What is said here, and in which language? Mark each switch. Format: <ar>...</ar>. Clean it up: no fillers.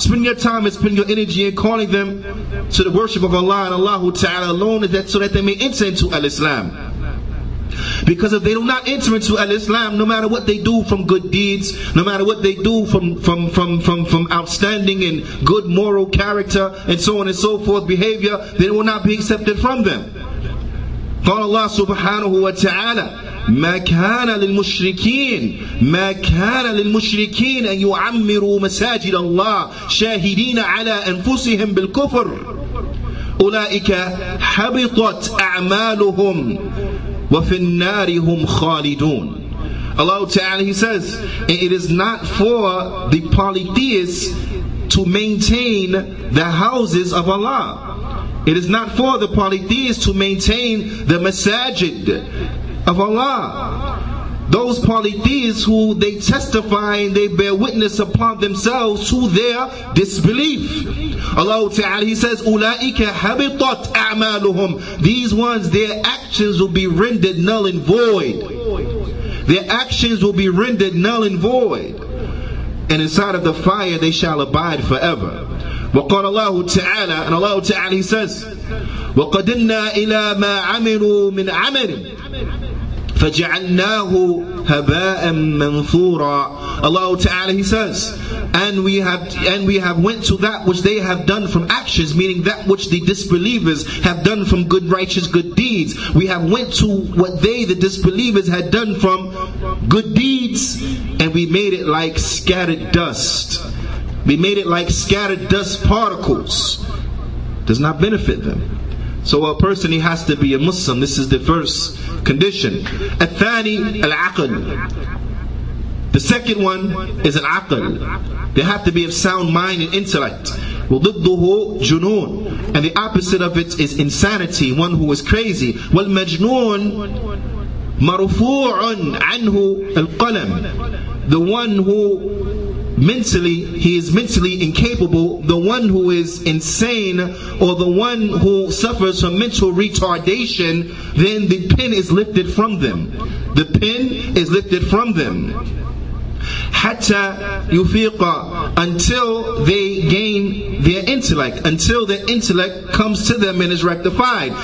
<en>Spend your time and spend your energy in calling them to the worship of Allah and Allahu Ta'ala alone, so that they may enter into al-Islam. Because if they do not enter into al-Islam, no matter what they do from good deeds, no matter what they do from outstanding and good moral character and so on and so forth behavior, then it will not be accepted from them.</en> <ar>قال الله سبحانه وتعالى ما كان للمشركين ما كان للمشركين أن يعمروا مساجد الله شاهدين على أنفسهم بالكفر أولئك حبطت أعمالهم وفي النار هم خالدون.</ar> <en>Allah Ta'ala, he says, it is not for the polytheists to maintain the houses of Allah. It is not for the polytheists to maintain the masajid of Allah. Those polytheists who they testify and they bear witness upon themselves to their disbelief. Allah Ta'ala, he says,</en> <ar>أُولَٰئِكَ حَبِطَتْ أَعْمَالُهُمْ.</ar> <en>These ones, their actions will be rendered null and void. Their actions will be rendered null and void. And inside of the fire they shall abide forever.</en> <ar>وقال الله تعالى أن الله تعالى says وقدنا إلى ما عملوا من عمل فجعلناه هباء منثورا.</ar> <en>الله تعالى he says and we have went to that which they have done from actions, meaning that which the disbelievers have done from good righteous good deeds. We have went to what they, the disbelievers, had done from good deeds, and we made it like scattered dust. We made it like scattered dust particles. Does not benefit them. So a person, he has to be a Muslim. This is the first condition.</en> <ar>الثاني العقل.</ar> <en>The second one is العقل. They have to be of sound mind and intellect.</en> <ar>وضده جنون.</ar> <en>And the opposite of it is insanity, one who is crazy.</en> <ar>والمجنون مرفوع عنه القلم.</ar> <en>The one who mentally, he is mentally incapable, the one who is insane, or the one who suffers from mental retardation, then the pen is lifted from them. The pen is lifted from them.</en> <ar>Hatta yufiqa,</ar> <en>until they gain their intellect, until their intellect comes to them and is rectified.</en>